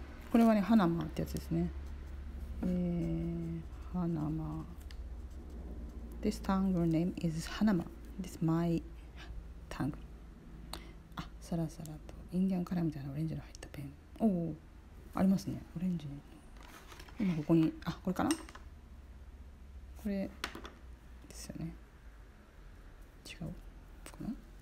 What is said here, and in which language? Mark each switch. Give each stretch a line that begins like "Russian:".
Japanese: これはねハナマってやつですね、ハナマ。
English: This tangle name is ハナマ。 This is my tongue.
Japanese: あ、サラサラとインディアンカラーみたいなオレンジの入ったペン。おお、ありますね。オレンジの。今ここに、あ、これかな？これですよね。違うかな？